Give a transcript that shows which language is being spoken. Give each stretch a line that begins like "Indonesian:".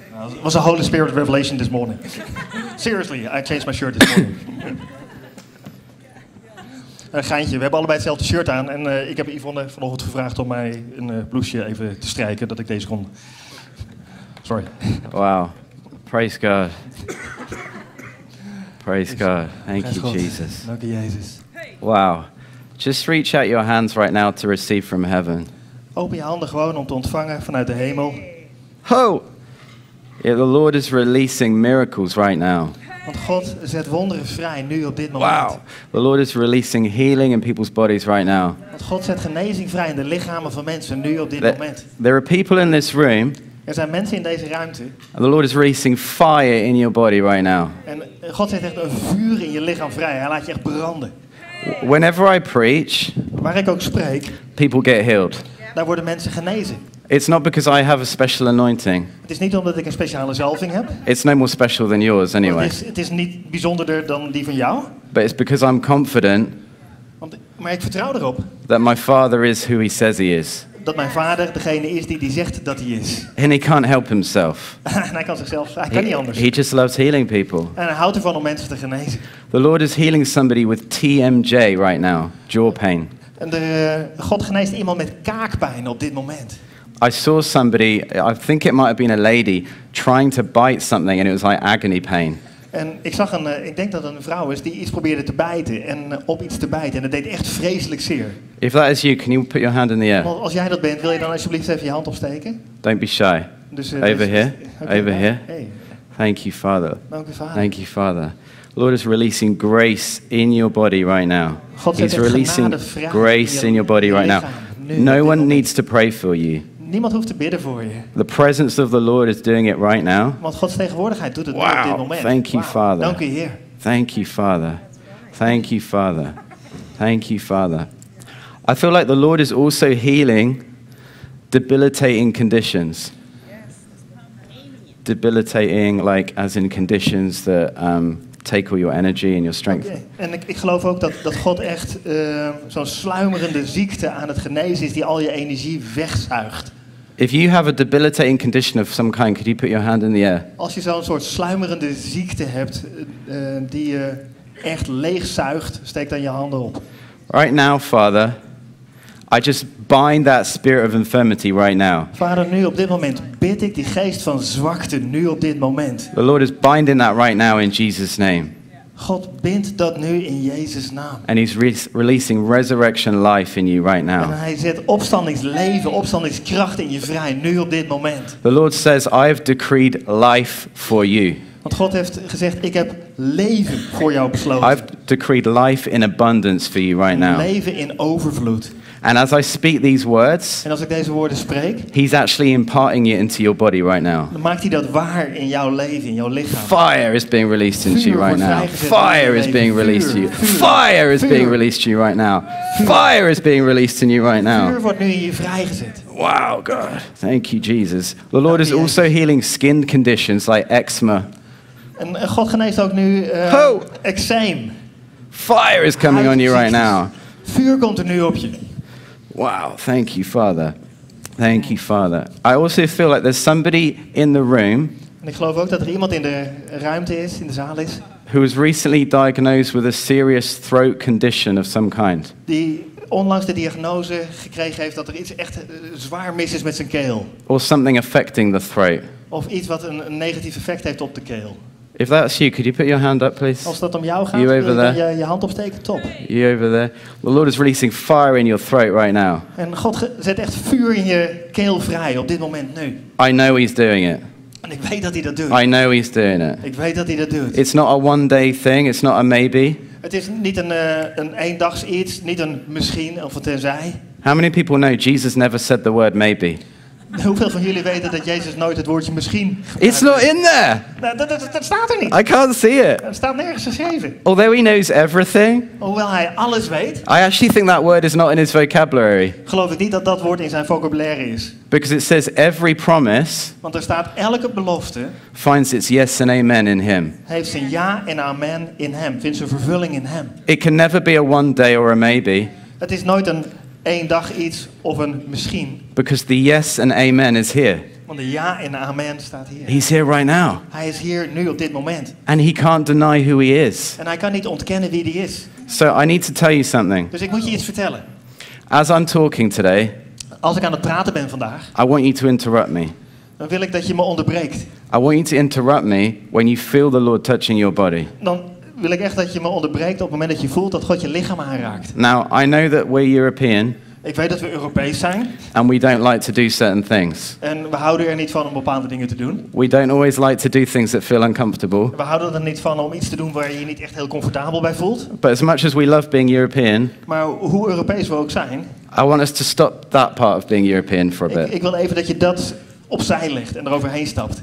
English: It was a Holy Spirit revelation this morning. Seriously, I changed my shirt this morning.
Dutch: Een geintje, we hebben allebei hetzelfde shirt aan en ik heb Yvonne vanochtend gevraagd om mij een blouseje even te strijken, dat ik deze kon.
English: Sorry. Wow, praise God. Praise God, thank you Jesus.
Dutch: Dank je Jezus.
English: Wow, just reach out your hands right now to receive from heaven.
Dutch: Open je handen gewoon om te ontvangen vanuit de hemel. Ho!
English: Yeah, the Lord is releasing miracles right now.
Dutch: Want God zet wonderen vrij nu op dit moment. Wow.
English: The Lord is releasing healing in people's bodies right now.
Dutch: Want God zet genezing vrij in de lichamen van mensen nu op dit moment.
English: There are people in this room.
Dutch: Er zijn mensen in deze ruimte.
English: The Lord is releasing fire in your body right now.
Dutch: En God zet echt een vuur in je lichaam vrij. Hij laat je echt branden.
English: Whenever I preach,
Dutch: waar ik ook spreek,
English: people get healed.
Dutch: Daar worden mensen genezen.
English: It's not because I have a special anointing.
Dutch: Het is niet omdat ik een speciale zalving heb.
English: It's no more special than yours anyway.
Dutch: Het is niet bijzonderder dan die van jou.
English: But it's because I'm confident.
Dutch: Maar ik vertrouw erop.
English: That my father is who he says he is.
Dutch: Dat mijn vader degene is die zegt dat hij is.
English: And he can't help himself.
Dutch: En hij kan zichzelf, hij kan niet anders.
English: He just loves healing people.
Dutch: En hij houdt ervan om mensen te genezen.
English: The Lord is healing somebody with TMJ right now, jaw pain.
Dutch: En de God geneest iemand met kaakpijn op dit moment.
English: I saw somebody, I think it might have been a lady, trying to bite something and it was like agony pain.
Dutch: En ik zag ik denk dat het een vrouw is die iets probeerde te bijten en op iets te bijten en het deed echt vreselijk zeer.
English: If that is you, can you put your hand in the air?
Dutch: Want als jij dat bent, wil je dan alsjeblieft even je hand opsteken?
English: Don't be shy. Over here. Hey. Thank you, Father.
Dutch: Dank je, Vader.
English: Thank you, Father. Lord is releasing grace in your body right now.
Dutch: God
English: He's releasing grace in your body right now.
Dutch: Nu,
English: no one needs to pray for you.
Dutch: Niemand hoeft te bidden voor je.
English: The presence of the Lord is doing it right now.
Dutch: Want Gods tegenwoordigheid doet het wow. Nu op dit moment.
English: Thank you, wow. Father.
Dutch: Dank u, Heer.
English: Thank you, Father. Thank you, Father. Thank you, Father. I feel like the Lord is also healing debilitating conditions. Yes. Debilitating, like as in conditions that take all your energy and your strength. Okay.
Dutch: En ik geloof ook dat God echt zo'n sluimerende ziekte aan het genezen is die al je energie wegzuigt.
English: If you have a debilitating condition of some kind, could you put your hand in the air?
Dutch: Als je zo'n soort sluimerende ziekte hebt die je echt leegzuigt, steek dan je handen op.
English: Right now, Father, I just bind that spirit of infirmity right now.
Dutch: Vader, nu op dit moment bid ik die geest van zwakte nu op dit moment.
English: The Lord is binding that right now in Jesus' name.
Dutch: God bindt dat nu in Jezus' naam.
English: And he's releasing resurrection life in you right now.
Dutch: En hij zet opstandingsleven, opstandingskracht in je vrij nu op dit moment.
English: The Lord says, I have decreed life for you.
Dutch: Want God heeft gezegd, ik heb leven voor jou besloten.
English: I've decreed life in abundance for you right now.
Dutch: Leven in overvloed.
English: And as I speak these words,
Dutch: en als ik deze woorden spreek,
English: he's actually imparting it into your body right now.
Dutch: Dan maakt hij dat waar in jouw leven, in jouw lichaam.
English: Fire is being released into you right now. Fire is being released to you. Fire is being released to you right now. Fire is being released in you right now.
Dutch: Vuur wordt nu in je vrijgezet.
English: Wow, God. Thank you, Jesus. The Lord is also healing skin conditions like eczema.
Dutch: En God geneest ook nu eczeem.
English: Fire is coming on you right now.
Dutch: Vuur komt er nu op je.
English: Wow, thank you, Father. Thank you, Father. I also feel like there's somebody in the room.
Dutch: En ik geloof ook dat er iemand in de ruimte is, in de zaal is.
English: Who was recently diagnosed with a serious throat condition of some kind.
Dutch: Die onlangs de diagnose gekregen heeft dat er iets echt zwaar mis is met zijn keel.
English: Or something affecting the throat.
Dutch: Of iets wat een negatief effect heeft op de keel.
English: If that's you, could you put your hand up, please?
Dutch: Als dat om jou gaat, wil je je hand opsteken, top.
English: You over there. The Lord is releasing fire in your throat right now.
Dutch: En God zet echt vuur in je keel vrij op dit moment nu.
English: I know he's doing it.
Dutch: En ik weet dat hij dat doet.
English: I know he's doing it.
Dutch: Ik weet dat hij dat doet.
English: It's not a one day thing, it's not a maybe.
Dutch: Het is niet een eendags iets, niet een misschien of een tenzij.
English: How many people know Jesus never said the word maybe?
Dutch: Hoeveel van jullie weten dat Jezus nooit het woordje misschien?
English: It's not in there.
Dutch: Dat staat er niet.
English: I can't see it.
Dutch: Het staat nergens geschreven.
English: Although he knows everything.
Dutch: Hoewel hij alles weet.
English: I actually think that word is not in his vocabulary.
Dutch: Geloof ik niet dat dat woord in zijn vocabulaire is.
English: Because it says every promise.
Dutch: Want er staat elke belofte.
English: Finds its yes and amen in him.
Dutch: Heeft zijn ja en amen in hem. Vindt zijn vervulling in hem.
English: It can never be a one day or a maybe.
Dutch: Het is nooit een Eén dag iets of een misschien.
English: Because the yes and amen is here.
Dutch: Want de ja en de amen staat hier.
English: He's here right now.
Dutch: Hij is hier nu op dit moment.
English: And he can't deny who he is.
Dutch: En hij kan niet ontkennen wie hij is.
English: So I need to tell you something.
Dutch: Dus ik moet je iets vertellen.
English: As I'm talking today.
Dutch: Als ik aan het praten ben vandaag.
English: I want you to interrupt me.
Dutch: Dan wil ik dat je me onderbreekt.
English: I want you to interrupt me when you feel the Lord touching your body.
Dutch: Dan wil ik echt dat je me onderbreekt op het moment dat je voelt dat God je lichaam aanraakt.
English: Now I know that we're European.
Dutch: Ik weet dat we Europees zijn.
English: And we don't like to do certain things.
Dutch: En we houden er niet van om bepaalde dingen te doen.
English: We don't always like to do things that feel uncomfortable.
Dutch: We houden er niet van om iets te doen waar je je niet echt heel comfortabel bij voelt.
English: But as much as we love being European.
Dutch: Maar hoe Europees we ook zijn.
English: I want us to stop that part of being European for a bit.
Dutch: Ik wil even dat je dat opzij legt en eroverheen stapt.